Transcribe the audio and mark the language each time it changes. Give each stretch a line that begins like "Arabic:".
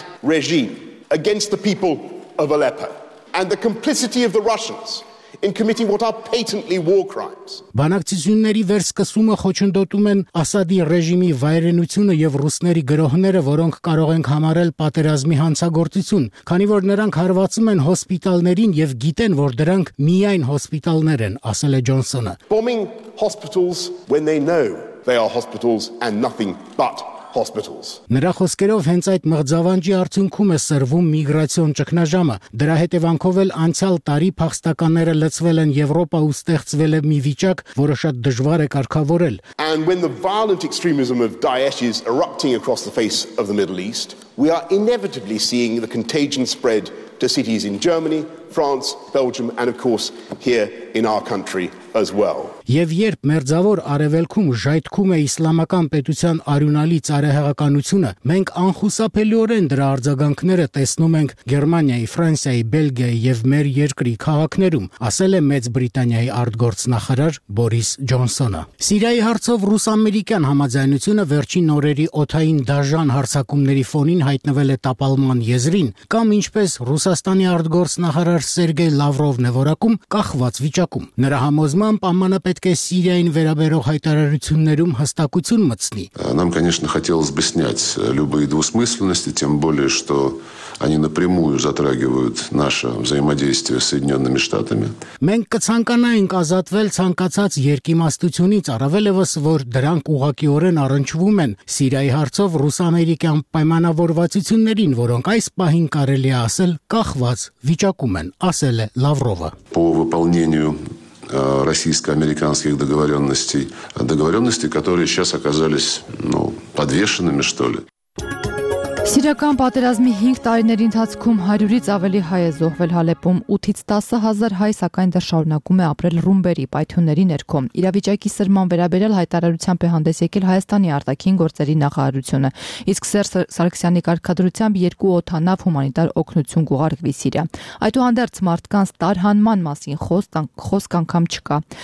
English: Against the people of Aleppo and the complicity of the Russians in committing what are patently war crimes.
Armenian: Բանակցությունների վերսկսումը խոչընդոտում են Ասադի ռեժիմի վայրենությունը եւ ռուսների գրոհները, որոնք կարող են համարել պատերազմի հանցագործություն, քանի որ նրանք հարվածում են հոսպիտալներին եւ գիտեն, որ դրանք միայն հոսպիտալներ են, ասել է Ջոնսոնը.
English: Bombing hospitals when they know they are hospitals and nothing but hospitals.
Armenian: Նրա խոսքերով հենց այդ մղձավանջի արդյունքում է սրվում միգրացիոն ճգնաժամը, դրա հետևանքով էլ անցյալ տարի փախստականները լցվել են Եվրոպա ու ստեղծվել է մի վիճակ, որը շատ դժվար է կարգավորել.
English: And when the violent extremism of Daesh is erupting across the face of the Middle East, we are inevitably seeing the contagion spread to cities in Germany, France, Belgium and of course here in our country as well.
Armenian: Եվ երբ մերձավոր արևելքում ժայթքում է իսլամական պետության արյունալի ծայրահեղականությունը, մենք անխուսափելիորեն դրա արձագանքները տեսնում ենք Գերմանիայի, Ֆրանսիայի, Բելգիայի եւ մեր երկրի քաղաքներում, ասել է Մեծ Բրիտանիայի արտգործնախարար Բորիս Ջոնսոնը։ Սիրիայի հարցով ռուս-ամերիկյան համաձայնությունը վերջին օրերի օթային դաժան հարցակումների ֆոնին հայտնվել է տապալման եզրին, կամ ինչպես Ռուսաստանի արտգործնախարար Սերգեյ Լավրովն է որակում, կախված վիճակում։ Նրա համոզմամբ ԱՄՆ պետք է Սիրիային վերաբերող հայտարարություններում հստակություն մտցնի։
Russian: Нам, конечно, хотелось бы снять любые двусмысленности, тем более что они напрямую затрагивают наше взаимодействие с Соединёнными Штатами.
Armenian: Մենք կցանկանայինք ազատվել ցանկացած երկիմաստությունից, առավելևս որ դրանք ուղղակիորեն առնչվում են Սիրիայի հարցով ռուս-ամերիկյան պայմանավորվածություններին, որոնք այս պահին կարելի է ասել կախված վիճակում են, ասել է Լավրովը։
Russian: По выполнению российско-американских договоренностей, договоренностей, которые сейчас оказались, ну, подвешенными, что ли.
Armenian: Սիրական պատերազմի 5 տարիների ընթացքում 100-ից ավելի հայ է զոհվել Հալեպում, 8-ից 10 հազար հայ սակայն դեռ շարունակում է ապրել ռումբերի պայթյունների ներքո։ Իրավիճակի սրման վերաբերյալ հայտարարությամբ է հանդես եկել Հայաստանի արտաքին գործերի նախարարությունը, իսկ Սերժ Սարգսյանի կարգադրությամբ 2 օթանավ հումանիտար օգնություն կուղարկվի Սիրիա։ Այդուհանդերձ մարդկանց տարհանման մասին խոսք անգամ չկա։